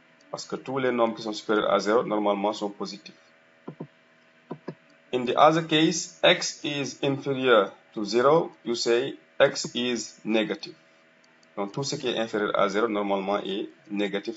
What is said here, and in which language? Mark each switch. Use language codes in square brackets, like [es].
[fr] Parce que tous les nombres qui sont supérieurs à 0, normalement, sont positifs. [en] In the other case, x is inférieur to 0, you say x is negative. [fr] Donc, tout ce qui est inférieur à 0, normalement, est négatif.